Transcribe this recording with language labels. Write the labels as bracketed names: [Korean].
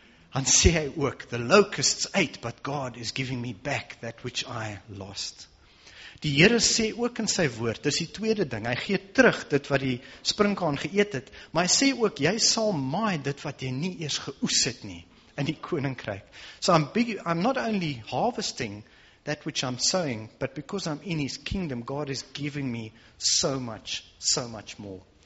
[Afrikaans] Dan sê hy ook, [English] the locusts ate, but God is giving me back that which I lost. [Afrikaans] Die Here sê ook in sy woord, dis die tweede ding, hy gee terug dit wat die sprinkhaan geëet het, maar hy sê ook, jy sal maai dit wat jy nie eers geoes het nie, in die koninkryk. [English] So I'm not only harvesting that which I'm sowing, but because I'm in his kingdom, God is giving me so much more.